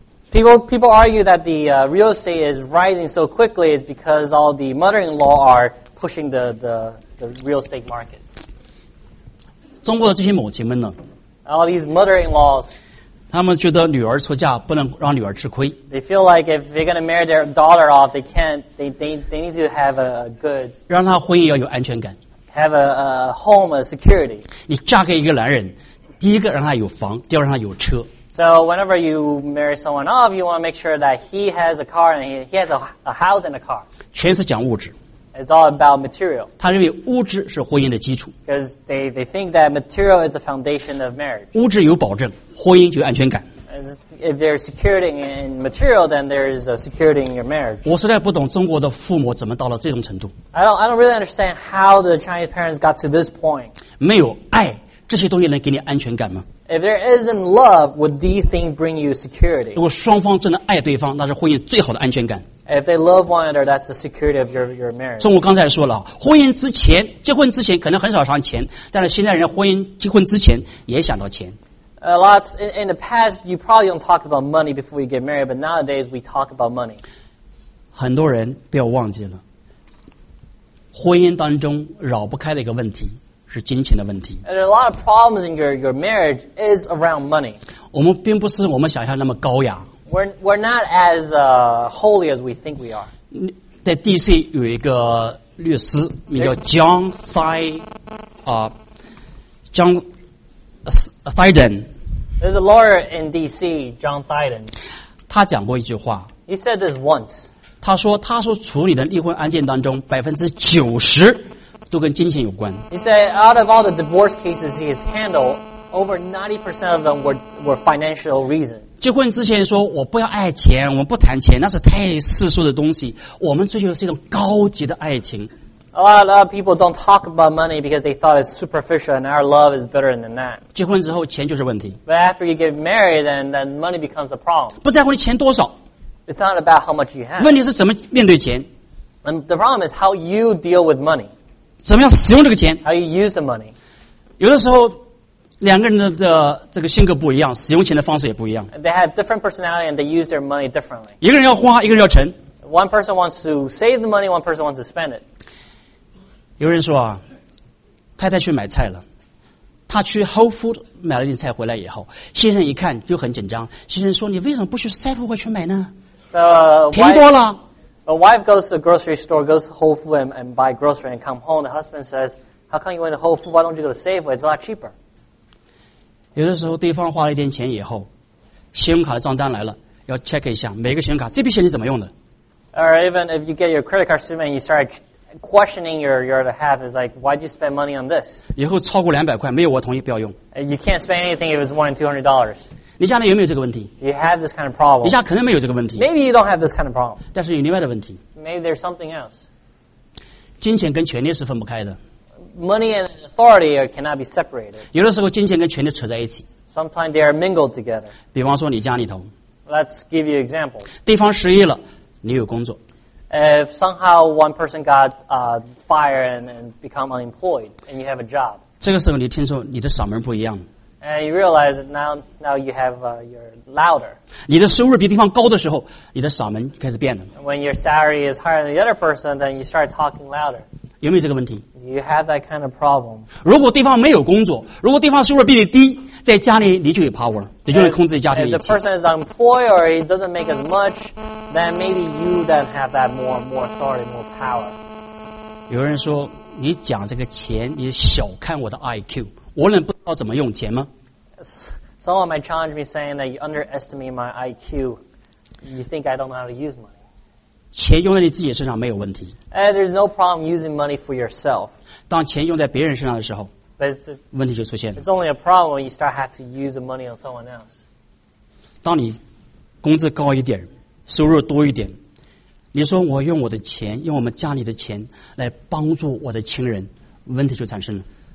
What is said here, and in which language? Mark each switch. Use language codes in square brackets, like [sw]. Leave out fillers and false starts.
[en] The people argue that the real estate is rising so quickly is because all the mother-in-law are pushing the real estate market. [zh] 中国的这些母亲们呢 [en] ？All these mother-in-laws. [zh] 他们觉得女儿出嫁不能让女儿吃亏。 [en] They feel like if they're going to marry their daughter off, they can't. They need to have a good. [zh] 让她婚姻要有安全感。 [en] Have a home, a security. [zh] 你嫁给一个男人，第一个让他有房，第二让他有车。 [en] So whenever you marry someone off, you want to make sure that he has a car and he has a house and a car. [zh] 全是讲物质。 [en] It's all about material. [zh] 他认为物质是婚姻的基础。 [en] Because they think that material is the foundation of marriage. [zh] 物质有保证，婚姻就有安全感。 [en] If there's security in material, then there is a security in your marriage. [zh] 我实在不懂中国的父母怎么到了这种程度。 [en] I don't really understand how the Chinese parents got to this point. [zh] 没有爱，这些东西能给你安全感吗？ [en] If there isn't love, would these things bring you security? [zh] 如果双方真的爱对方，那是婚姻最好的安全感。 [en] If they love one another, that's the security of your marriage. [zh] 所以我刚才说了，婚姻之前，结婚之前可能很少想钱，但是现在人婚姻结婚之前也想到钱。 [en] A lot in the past, you probably don't talk about money before you get married, but nowadays we talk about money. [zh] 很多人不要忘记了，婚姻当中绕不开的一个问题。是金钱的问题。 [en] And a lot of problems in your marriage is around money. [zh] 我们并不是我们想象那么高雅。 [en] We're not as holy as we think we are. [zh] 在 DC 有一个律师，名叫 John Thiden. [en] There's a lawyer in DC, John Thiden. [zh] 他讲过一句话。 [en] He said this once. [zh] 他说处理的离婚案件当中90%。都跟金钱有关。 [en] He said, out of all the divorce cases he has handled, over 90% of them were financial reasons. [zh] 结婚之前说我不要爱钱，我们不谈钱，那是太世俗的东西。我们追求的是一种高级的爱情。 [en] A lot of people don't talk about money because they thought it's superficial, and our love is better than that. [zh] 结婚之后钱就是问题。 [en] But after you get married, then money becomes a problem. [zh] 不在乎你钱多少。 [en] It's not about how much you have. [zh] 问题是怎么面对钱。 [en] And the problem is how you deal with money. [zh] 怎么样使用这个钱 [en] ？How you use the money？ [zh] 有的时候，两个人的这个性格不一样，使用钱的方式也不一样。 [en] They have different personality and they use their money differently. [zh] 一个人要花，一个人要存。 [en] One person wants to save the money, one person wants to spend it. [zh] 有人说啊，太太去买菜了，她去 Whole Food 买了点菜回来以后，先生一看就很紧张。先生说：“你为什么不去 Safeway 去买呢？ [en] So, [zh] 便宜多了。” [en] A wife goes to a grocery store, goes to Whole Foods and buy groceries and come home. The husband says, how come you went to Whole Foods? Why don't you go to Safeway? It's a lot cheaper. [zh] 有的时候对方花了一点钱以后，信用卡的账单来了，要 check 一下每个信用卡，这笔钱你怎么用的？ [en] Or even if you get your credit card statement, you start questioning your other half. It's like, why did you spend money on this? [zh] 以后超过200块，没有我同意不要用。 [en] You can't spend anything if it's more than $200. [zh] 你家里有没有这个问题？ [en] You have this kind of problem. [zh] 你家可能没有这个问题。 [en] Maybe you don't have this kind of problem. [zh] 但是有另外的问题。 [en] Maybe there's something else. [zh] 金钱跟权力是分不开的。 [en] Money and authority cannot be separated. [zh] 有的时候金钱跟权力扯在一起。 [en] Sometimes they are mingled together. [zh] 比方说你家里头。 [en] Let's give you examples. [zh] 对方失业了，你有工作。 [en] If somehow one person got fired and become unemployed, and you have a job. [zh] 这个时候你听说你的嗓门不一样。 [en] And you realize that now you have you're louder. [zh] 你的收入比对方高的时候，你的嗓门开始变了。 [en] When your salary is higher than the other person, then you start talking louder. [zh] 有没有这个问题？ [en] You have that kind of problem. [zh] 如果对方没有工作，如果对方收入比你低，在家里你就有 power， 你就能控制家庭一切。 [en] If the person is unemployed or he doesn't make as much, then maybe you then have that more authority, more power. [zh] 有人说，你讲这个钱，你小看我的 IQ。我能不知道怎么用钱吗 [en] ？Someone might challenge me, saying that you underestimate my IQ. You think I don't know how to use money? [zh] 钱用在你自己身上没有问题。 [en] And there's no problem using money for yourself. [zh] 当钱用在别人身上的时候 [en] But [zh] 问题就出现了。 [en] It's only a problem when you start have to use the money on someone else. [zh] 当你工资高一点收入多一点你说我用我的钱用我们家里的钱来帮助我的亲人问题就产生了。